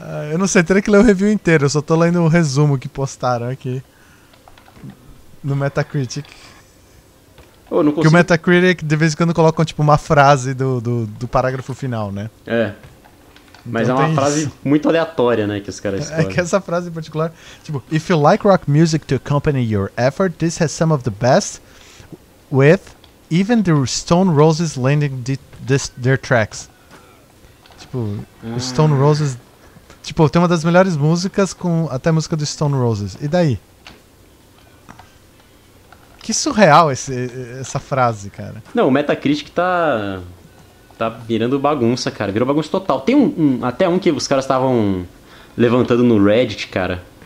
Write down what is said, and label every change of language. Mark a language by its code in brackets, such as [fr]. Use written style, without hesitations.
[pt] Eu não sei, teria que ler o review inteiro, eu só tô lendo o resumo que postaram aqui. No Metacritic. Oh, não consigo... Que o Metacritic de vez em quando coloca tipo, uma frase do parágrafo final, né? É. Mas então é uma frase isso. Muito aleatória, né? Que os caras escolhem. É que essa frase em particular. Tipo, [en] if you like rock music to accompany your effort, this has some of the best with even the Stone Roses landing their tracks. [pt] Tipo, Stone Roses. Tipo, tem uma das melhores músicas com até a música do Stone Roses. E daí? Que surreal essa frase, cara. Não, o Metacritic tá virando bagunça, cara. Virou bagunça total. Tem um que os caras estavam levantando no Reddit, cara.